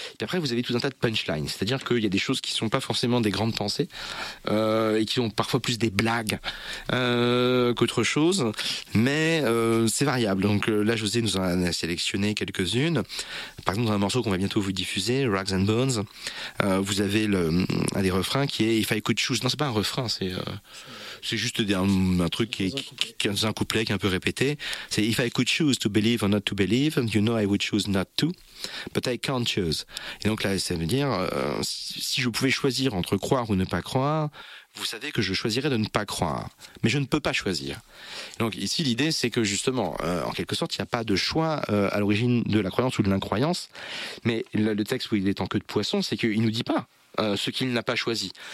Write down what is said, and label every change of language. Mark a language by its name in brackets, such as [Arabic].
[French] Et après, vous avez tout un tas de punchlines, c'est-à-dire qu'il y a des choses qui sont pas forcément des grandes pensées et qui ont parfois plus des blagues qu'autre chose, mais c'est variable. Donc là, José nous en a sélectionné quelques-unes. Par exemple, dans un morceau qu'on va bientôt vous diffuser, Rags and Bones, vous avez un des refrains qui est If I Could Choose. Non, c'est pas un refrain, c'est juste un truc qui est un couplet qui est un peu répété. [English] C'est If I Could Choose to Believe or Not to Believe, you know I would choose not to, but I can't choose. [French] Et donc là, ça veut dire si je pouvais choisir entre croire ou ne pas croire, vous savez que je choisirais de ne pas croire, mais je ne peux pas choisir. Donc ici, l'idée, c'est que justement, en quelque sorte, il n'y a pas de choix à l'origine de la croyance ou de l'incroyance. Mais là, le texte où il est en queue de poisson, c'est qu'il ne nous dit pas ce qu'il n'a pas choisi.